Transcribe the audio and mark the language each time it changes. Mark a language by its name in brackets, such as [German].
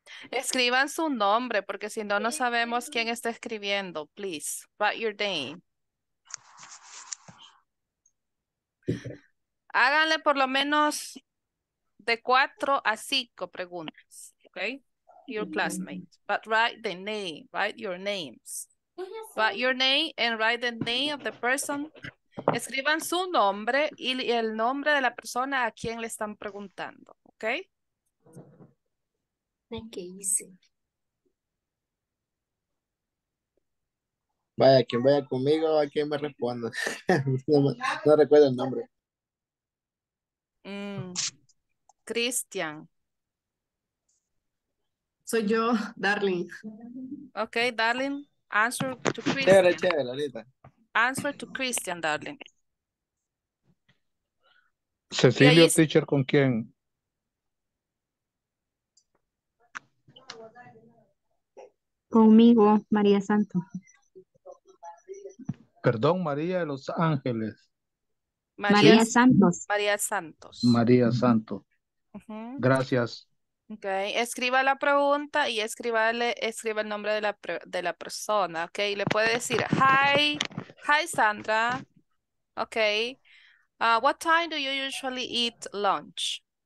[Spanish] Escriban su nombre, porque si no, no sabemos quién está escribiendo. [English] Please, write your name. [Spanish] Háganle por lo menos de 4 a 5 preguntas, okay? [English] Your classmate. But write the name, write your names. Write your name and write the name of the person. [Spanish] Escriban su nombre y el nombre de la persona a quien le están preguntando, okay? [English] Thank you. [Spanish] Vaya, quien vaya conmigo, a quien me responda. No recuerdo el nombre. Cristian. Soy yo, Darling. [English] Okay, Darling, answer to Cristian. [Spanish] Chévere, chévere, ahorita. [English] Answer to Cristian, Darling. [Spanish] Cecilio, teacher, ¿con quién? Conmigo, María Santo. Perdón, María de Los Ángeles. María, ¿sí? Santos. María Santos. María Santos. Uh-huh. Gracias. Ok, escriba la pregunta y escriba el nombre de la persona, ok. Le puede decir, [English] hi [Spanish] Sandra. [English] Ok, what time do you usually eat lunch?